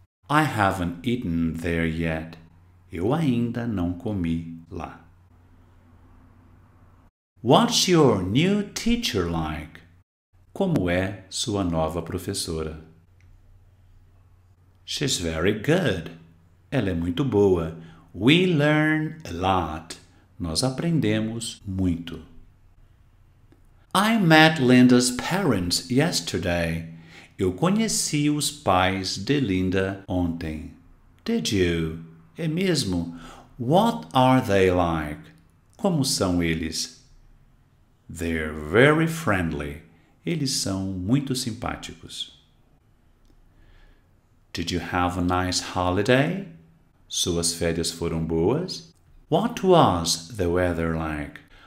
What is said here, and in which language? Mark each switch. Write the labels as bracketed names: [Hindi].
[English] I haven't eaten there yet. [Portuguese] Eu ainda não comi lá. [English] What's your new teacher like? [Portuguese] Como é sua nova professora? [English] She's very good. [Portuguese] Ela é muito boa. [English] We learn a lot. [Portuguese] Nós aprendemos muito. [English] I met Linda's parents yesterday. [Portuguese] Eu conheci os pais de Linda ontem. [English] Did you? [Portuguese] É mesmo? [English] What are they like? [Portuguese] Como são eles? [English] They're very friendly. [Portuguese] Eles são muito simpáticos. [English] Did you have a nice holiday? [Portuguese] Suas férias foram boas? [English] What was the weather like?